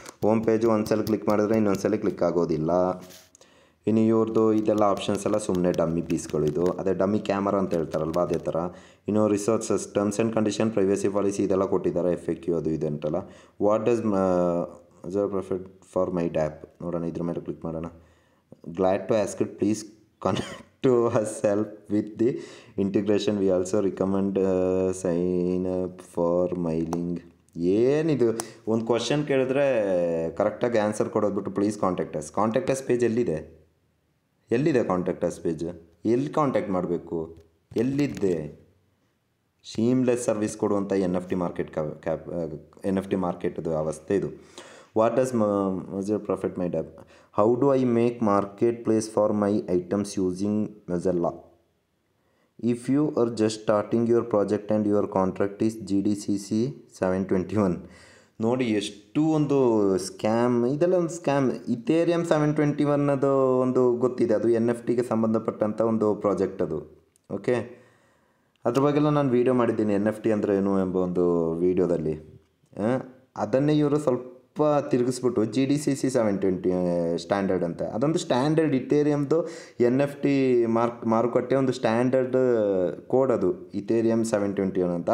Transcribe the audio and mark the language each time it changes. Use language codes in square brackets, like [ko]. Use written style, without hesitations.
[kn] Home page ಒಂದ್ಸಲ click ಮಾಡಿದ್ರೆ ಇನ್ನೊಂದ್ಸಲ ಕ್ಲಿಕ್ ಆಗೋದಿಲ್ಲ. ಇನ್ನು ಇವ್ರದ್ದು ಇದೆಲ್ಲ ಆಪ್ಷನ್ಸ್ ಎಲ್ಲ ಸುಮ್ಮನೆ ಡಮ್ಮಿ ಪೀಸ್ಗಳು. ಇದು ಅದೇ ಡಮ್ಮಿ ಕ್ಯಾಮರಾ ಅಂತ ಹೇಳ್ತಾರಲ್ವ ಅದೇ ಥರ. ಇನ್ನು resources, terms and condition, privacy policy ಇದೆಲ್ಲ ಕೊಟ್ಟಿದ್ದಾರೆ. FAQ ಅದು ಇದೆ ಅಂತಲ್ಲ. [en] what does Astar profit for my dapp [kn] ನೋಡೋಣ. ಇದ್ರ ಮೇಲೆ ಕ್ಲಿಕ್ ಮಾಡೋಣ. [en] Glad to ask it please connect to us help with the integration. We also recommend sign up for mailing. [kn] ಏನಿದು ಒಂದು ಕ್ವಶನ್ ಕೇಳಿದ್ರೆ ಕರೆಕ್ಟಾಗಿ ಆನ್ಸರ್ ಕೊಡೋದು ಬಿಟ್ಟು [en] Please contact us. [kn] ಕಾಂಟ್ಯಾಕ್ಟಸ್ ಪೇಜ್ ಎಲ್ಲಿದೆ? ಎಲ್ಲಿದೆ ಕಾಂಟ್ಯಾಕ್ಟಸ್ ಪೇಜ್? ಎಲ್ಲಿ ಕಾಂಟ್ಯಾಕ್ಟ್ ಮಾಡಬೇಕು? ಎಲ್ಲಿದ್ದೆ? ಶೀಮ್ಲೆಸ್ ಸರ್ವಿಸ್ ಕೊಡುವಂಥ N F T market N F T ಮಾರ್ಕೆಟ್ದು ಅವಸ್ಥೆ ಇದು. [en] What does Mozilla profit my dapp? How do I make marketplace for my items using Mozilla? If you are just starting your project and your contract is GDCC 721. [kn] ನೋಡಿ ಎಷ್ಟು ಒಂದು scam, ಇದೆಲ್ಲ ಒಂದು scam. Ethereum 721 ಅದು ಒಂದು ಗೊತ್ತಿದೆ, ಅದು ಎನ್ ಎಫ್ ಟಿಗೆ ಸಂಬಂಧಪಟ್ಟಂಥ ಒಂದು ಪ್ರಾಜೆಕ್ಟ್ ಅದು. ಓಕೆ, ಅದ್ರ ಬಗ್ಗೆಲ್ಲ ನಾನು ವೀಡಿಯೋ ಮಾಡಿದ್ದೀನಿ ಎನ್ ಎಫ್ ಟಿ ಅಂದರೆ ಏನು ಎಂಬ ಒಂದು ವೀಡಿಯೋದಲ್ಲಿ. ಅದನ್ನೇ ಇವರು ಸ್ವಲ್ಪ ತಿರುಗಿಸ್ಬಿಟ್ಟು G D C C 720 standard ಅಂತ, ಅದೊಂದು ಸ್ಟ್ಯಾಂಡರ್ಡ್ ಇಥೇರಿಯಂದು ಎನ್ ಎಫ್ ಟಿ ಮಾರುಕಟ್ಟೆ ಒಂದು ಸ್ಟ್ಯಾಂಡರ್ಡ್ ಕೋಡ್ ಅದು ಇಥೇರಿಯಂ 721 ಅಂತ.